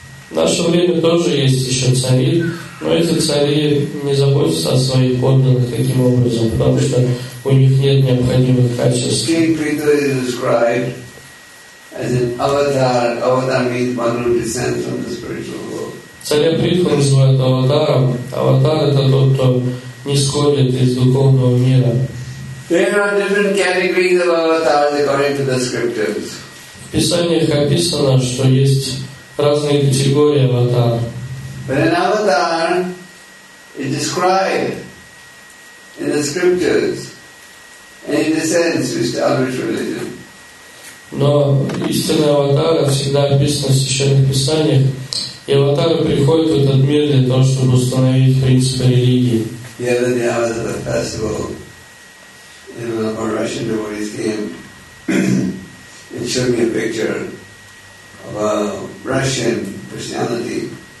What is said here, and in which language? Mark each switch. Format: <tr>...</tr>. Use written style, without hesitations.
<ru>В наше время тоже есть еще цари, Но эти цари не заботятся о своих подданных таким образом, потому что у них нет необходимых качеств.</ru> <en>King Prithu is described as an avatar. Avatar means one who descends from the spiritual world.</en> <ru>Царя Притху называют аватаром. Аватар — это тот, кто нисходит из духовного мира.</ru> <en>There are different categories of avatars according to the scriptures.</en> <ru>В писаниях описано, что есть разные категории аватар.</ru> <en>When an avatar is described in the scriptures, and in the sense which the Advaita religion.</en> <ru>Но истинный аватар всегда описан в священных писаниях, и аватары приходят в этот мир для того, чтобы установить принципы религии.</ru> <en>The other day I was at a festival, and one of our Russian devotees came and showed me a picture of a Russian personality.</en>